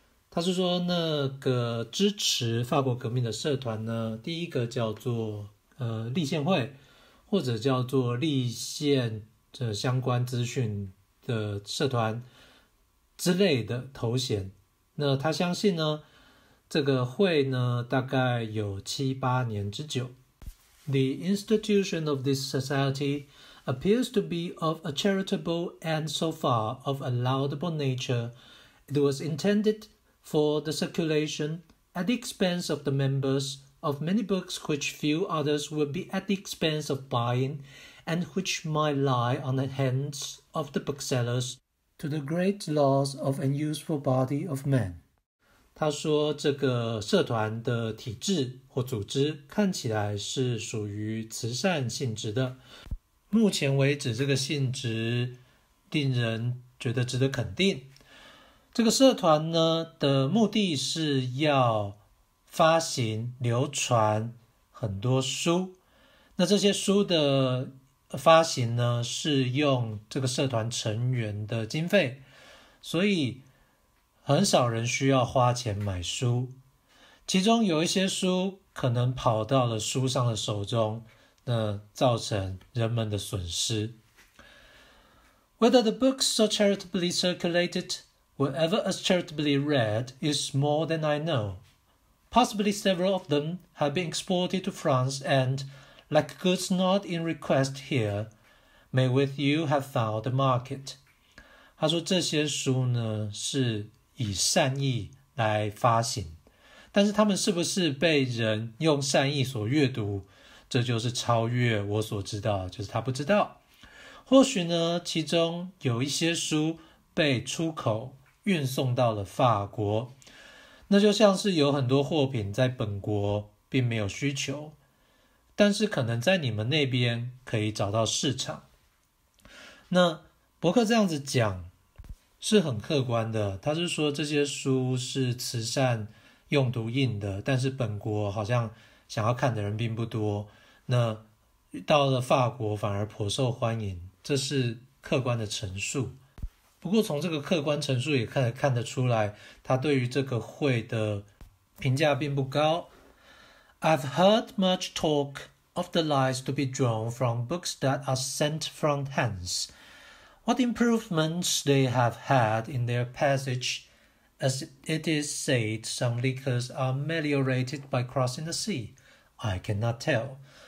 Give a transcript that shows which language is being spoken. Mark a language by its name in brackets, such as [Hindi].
[Chinese] 他是说那个支持法国革命的社团呢，第一个叫做立宪会，或者叫做立宪的相关资讯的社团之类的头衔。那他相信呢这个会呢大概有七八年之久。 [English] The institution of this society appears to be of a charitable and so far of a laudable nature. It was intended for the circulation at the expense of the members of many books which few others would be at the expense of buying and which might lie on the handsOf the booksellers, to the great loss of an useful body of men. [Chinese] 他说这个社团的体制或组织看起来是属于慈善性质的。目前为止这个性质令人觉得值得肯定。这个社团呢的目的是要发行流传很多书。那这些书的发行呢是用这个社团成员的经费，所以很少人需要花钱买书。其中有一些书可能跑到了书商的手中，那造成人们的损失。 [English] Whether the books are charitably circulated, Whatever is charitably read is more than I know. Possibly several of them have been exported to France and, like goods not in request here, may with you have found the market. [Chinese] 他说这些书呢是以善意来发行，但是他们是不是被人用善意所阅读，这就是超越我所知道，就是他不知道。或许呢，其中有一些书被出口运送到了法国，那就像是有很多货品在本国并没有需求，但是可能在你们那边可以找到市场。那柏克这样子讲是很客观的，他是说这些书是慈善用途印的，但是本国好像想要看的人并不多，那到了法国反而颇受欢迎，这是客观的陈述。不过从这个客观陈述也看得出来，他对于这个会的评价并不高。 [English] I've heard much talk of the lies to be drawn from books that are sent from hence. What improvements they have had in their passage, as it is said some liquors are ameliorated by crossing the sea, I cannot tell.